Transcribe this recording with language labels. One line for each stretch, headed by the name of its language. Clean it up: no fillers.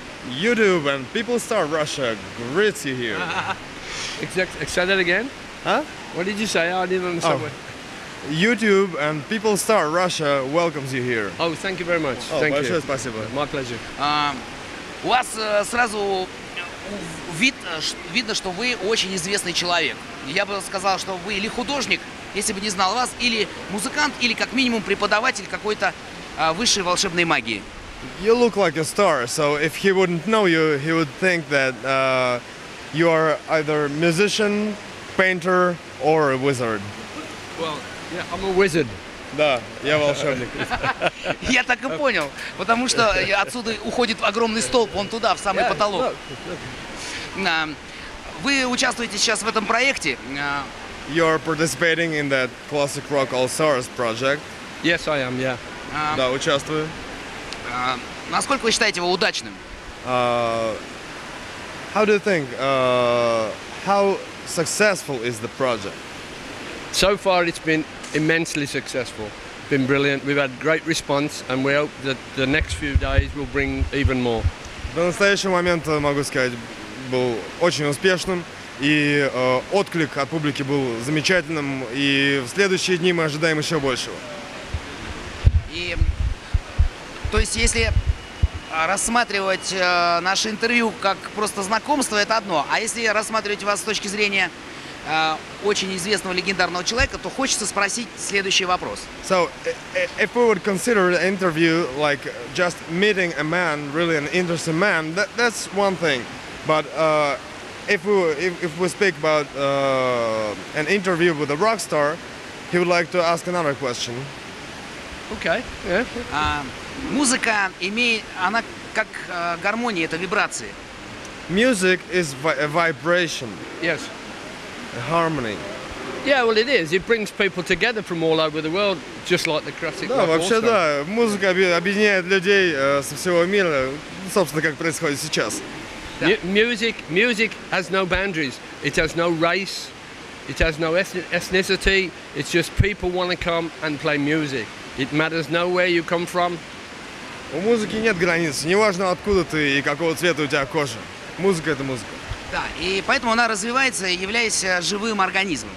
English: YouTube and People Star Russia greet you here. Say that again? Huh? What did you say? I didn't understand. Oh. YouTube and People Star Russia welcomes you here. Oh, thank you very much. Oh, thank
Russian: большое
English: you.
Russian: Спасибо.
English: My pleasure.
Russian: У вас сразу видно, что вы очень известный человек. Я бы сказал, что вы или художник, если бы не знал вас, или музыкант, или как минимум преподаватель какой-то высшей волшебной магии.
English: You look like a star, so if he wouldn't know you, he would think that you are either musician, painter, or a wizard. Well, yeah, I'm a wizard.
Russian: Да, я волшебник. Я так и понял, потому что отсюда уходит огромный столб, он туда, в самый потолок. Вы участвуете сейчас в этом проекте.
English: You are participating in that Classic Rock All Stars project. Yes, I am, yeah.
Russian: Да, участвую. Насколько вы считаете его удачным?
English: How do you think, how successful is the project? So far it's been immensely successful, been brilliant. We've had great response and we hope that the next few days will bring even more.
Russian: До настоящего момента, могу сказать, был очень успешным. И отклик от публики был замечательным. И в следующие дни мы ожидаем еще большего. И, то есть, если рассматривать наше интервью как просто знакомство, это одно. А если рассматривать вас с точки зрения очень известного легендарного человека, то хочется спросить следующий вопрос.
English: So, if we would consider an interview like just meeting a man, really an interesting man, that's one thing. But if we speak about an interview with a rock star, he would like to ask another question. Okay. Yeah.
Russian: Музыка имеет, она как гармония, это вибрации.
English: Music is a vibration. Yes. A harmony. Yeah, well, it is. It brings people together from all over the world, just like the classic.
Russian: Да, вообще да. Музыка объединяет людей со всего мира, собственно, как происходит сейчас.
English: Music has no boundaries. It has no race. It has no ethnicity. It's just people want to come and play music. It matters no where you come from.
Russian: У музыки нет границ. Неважно, откуда ты и какого цвета у тебя кожа. Музыка — это музыка. Да, и поэтому она развивается, являясь живым организмом.